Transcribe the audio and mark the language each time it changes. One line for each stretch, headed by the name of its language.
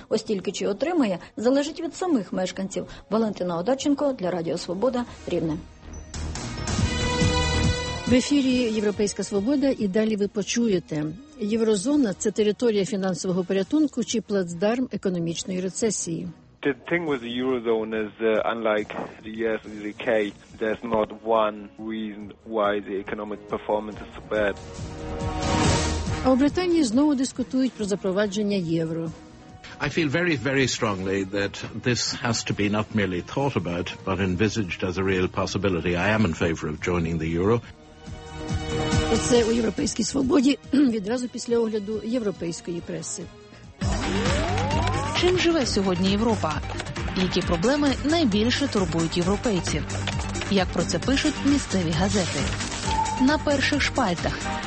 Ukrainian: Ось тільки чи отримає, залежить від самих мешканців. Валентина Одарченко для Радіо Свобода, Рівне. В ефірі «Європейська свобода» і далі ви почуєте. Єврозона – це територія фінансового порятунку чи плацдарм економічної рецесії?
English: The thing with the Eurozone is unlike the US and the UK, there's not one reason why the economic performance is so bad.
Ukrainian: А у Британії знову дискутують про запровадження євро.
English: I feel very, very strongly that this has to be not merely thought about, but envisaged as a real possibility. I am in favor of joining the Euro.
Ukrainian: Це у Європейській свободі відразу після огляду європейської преси. Чим живе сьогодні Європа? Які проблеми найбільше турбують європейців? Як про це пишуть місцеві газети? На перших шпальтах.